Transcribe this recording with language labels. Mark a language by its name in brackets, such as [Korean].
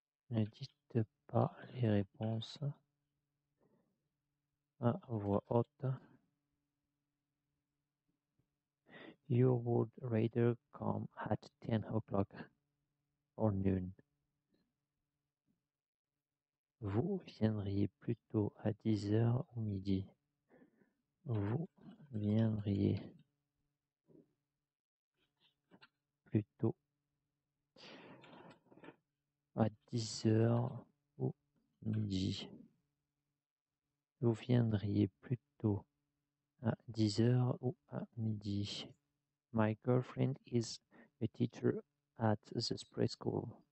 [French] Ne dites pas les réponses à voix haute. [English] You would rather come at 10 o'clock or noon. [French] Vous viendriez plutôt à 10 heures ou midi. Vous viendriez plutôt à 10 heures ou midi. Vous viendriez plutôt à 10 heures ou à midi. [English] My girlfriend is a teacher at the preschool.